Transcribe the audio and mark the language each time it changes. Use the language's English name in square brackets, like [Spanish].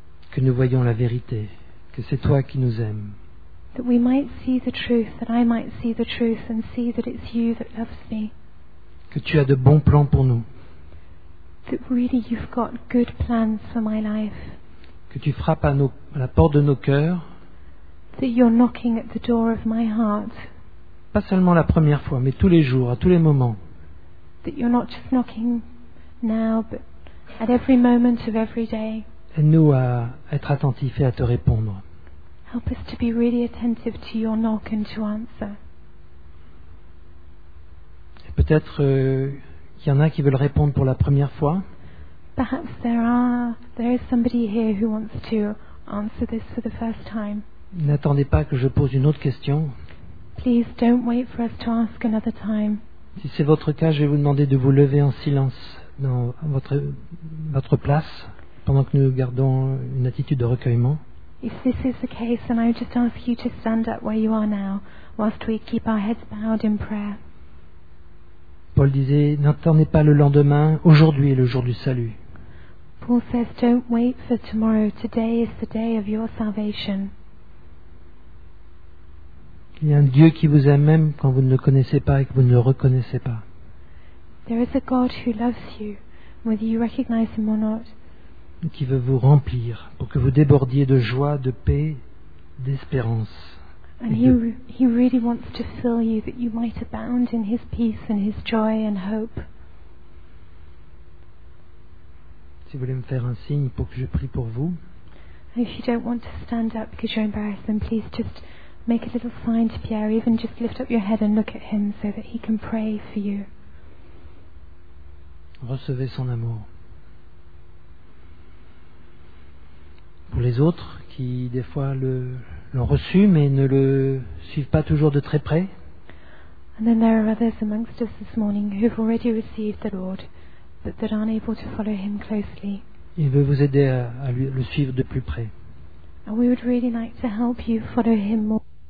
[French] Que nous voyons la vérité, que c'est toi qui nous aimes. [English] That we might see the truth, that I might see the truth and see that it's you that loves me. [French] Que tu as de bons plans pour nous. [English] That really you've got good plans for my life. [French] Que tu frappes à la porte de nos cœurs. [English] That you're knocking at the door of my heart. [French] Pas seulement la première fois, mais tous les jours, à tous les moments. [English] That you're not just knocking now, but at every moment of every day. [French] Aide-nous à être attentifs et à te répondre. [English] Help us to be really attentive to your knock and to answer. [French] Et peut-être qu'il y en a qui veulent répondre pour la première fois. [English] Perhaps there is somebody here who wants to answer this for the first time. [French] N'attendez pas que je pose une autre question. [English] Please don't wait for us to ask another time. [French] Si c'est votre cas, je vais vous demander de vous lever en silence dans votre place pendant que nous gardons une attitude de recueillement. [English] If this is the case, then I would just ask you to stand up where you are now, whilst we keep our heads bowed in prayer. [French] Paul disait, n'attendez pas le lendemain, aujourd'hui est le jour du salut. [English] Paul says, don't wait for tomorrow, today is the day of your salvation. [French] Il y a un Dieu qui vous aime même quand vous ne le connaissez pas et que vous ne le reconnaissez pas. [English] There is a God who loves you, whether you recognize him or not. [French] Qui veut vous remplir pour que vous débordiez de joie, de paix, d'espérance. [English] And he really wants to fill you that you might abound in his peace and his joy and hope. [French] Si vous voulez me faire un signe pour que je prie pour vous. [English] If you don't want to stand up because you're embarrassed, then please just make a little sign to Pierre, even just lift up your head and look at him so that he can pray for you. [French] Recevez son amour. Pour les autres qui des fois l'ont reçu mais ne le suivent pas toujours de très près. [English] And then there are others amongst us this morning who've already received the Lord, but that aren't able to follow him closely. [French] Il veut vous aider à le suivre de plus près. [English] And we would really like to help you follow him more.